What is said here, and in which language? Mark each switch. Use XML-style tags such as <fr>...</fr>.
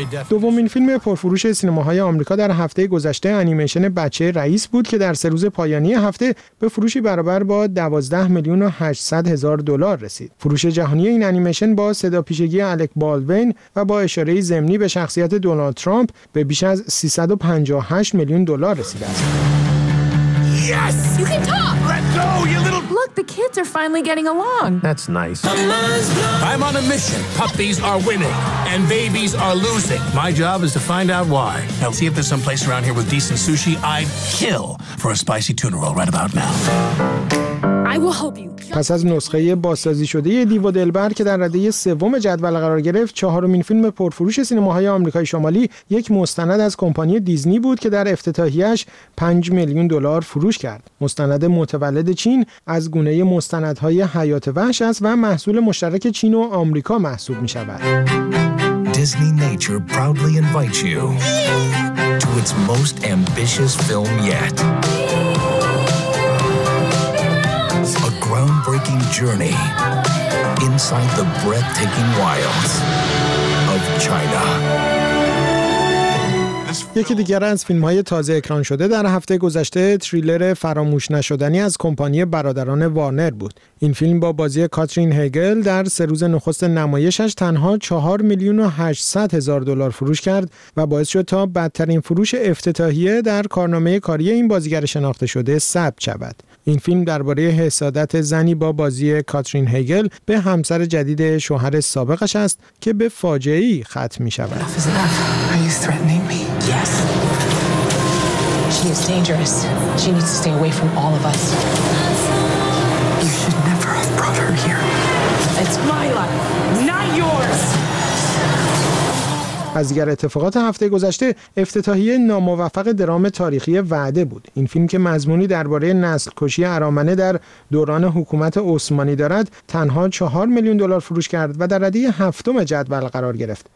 <fa>دومین فیلم پرفروش سینماهای آمریکا در هفته گذشته انیمیشن بچه رئیس بود که در سه روز پایانی هفته به فروشی برابر با 12 میلیون 800 هزار دلار رسید. فروش جهانی این انیمیشن با صداپیشگی الک بالوین و با اشاره ضمنی به شخصیت دونالد ترامپ به بیش از 358 میلیون دلار رسید.</fa> <en>Yes! You can talk! The kids are finally getting along. That's nice. I'm on a mission. Puppies are winning and babies are losing. My job is to find out why. Now see if there's some place around here with decent sushi. I'd kill for a spicy tuna roll right about now. I will help you.</en> <fa>پس از نسخه بازسازی شده دیو و دلبر که در رده سوم جدول قرار گرفت، چهارمین فیلم پرفروش سینماهای آمریکای شمالی یک مستند از کمپانی دیزنی بود که در افتتاحیه‌اش 5 میلیون دلار فروش کرد. مستند متولد چین از گونه مستندهای حیات وحش است و محصول مشترک چین و آمریکا محسوب می‌شود.</fa> <en>Disney Nature proudly invites you to its most ambitious film yet. Groundbreaking journey inside the breathtaking wilds of China.</en> <fa>یکی دیگر از فیلم‌های تازه اکران شده در هفته گذشته تریلر فراموش نشدنی از کمپانی برادران وارنر بود. این فیلم با بازی کاترین هگل در سه روز نخست نمایشش تنها 4 میلیون و 800 هزار دلار فروش کرد و باعث شد تا بدترین فروش افتتاحیه در کارنامه کاری این بازیگر شناخته شده ثبت شود. این فیلم درباره حسادت زنی با بازی کاترین هگل به همسر جدید شوهر سابقش است که به فاجعه‌ای ختم می‌شود.</fa> <en>Yes. She is dangerous. She needs to stay away from all of us. You should never have brought her here. It's my life, not yours.</en> <fa>از دیگر اتفاقات هفته گذشته، افتتاحیه ناموفق درام تاریخی وعده بود. این فیلم که مضمونی درباره نسل کشی ارامنه در دوران حکومت عثمانی دارد، تنها 4 میلیون دلار فروش کرد و در رده هفتم جدول قرار گرفت.</fa>